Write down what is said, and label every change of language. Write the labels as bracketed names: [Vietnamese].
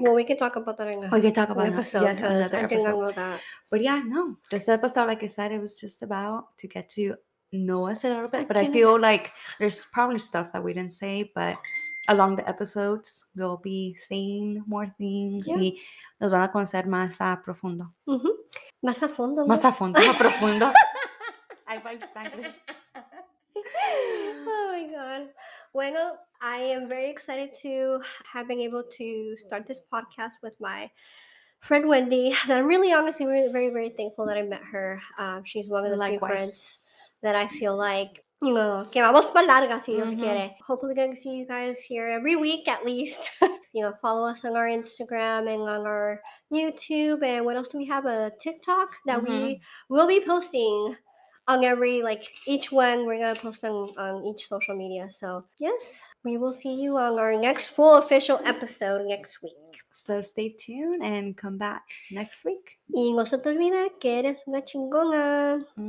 [English] Well, we can talk about that in another episode. We can talk about that in another episode. I did not know that. But yeah, no. This episode, like I said, it was just about to get to know us a little bit. But I feel like there's probably stuff that we didn't say, but along the episodes, we'll be saying more things. Yeah. [Spanish] Y nos van a conocer más a profundo. Mm-hmm. Más a fondo. Más a fondo, más profundo. [English] I find Spanish. Oh my God. Bueno, I am very excited to have been able to start this podcast with my friend Wendy, that I'm really honestly really, very, very thankful that I met her. She's one of the likewise few friends that I feel like, you know, [Spanish] que vamos para larga si Dios quiere. [English] Hopefully, gonna see you guys here every week at least. You know, follow us on our Instagram and on our YouTube. And what else do we have? A TikTok that we will be posting on every, like, each one. We're gonna post on each social media. So, yes, we will see you on our next full official episode next week. So, stay tuned and come back next week. [Spanish] Y no se te olvide que eres una chingona.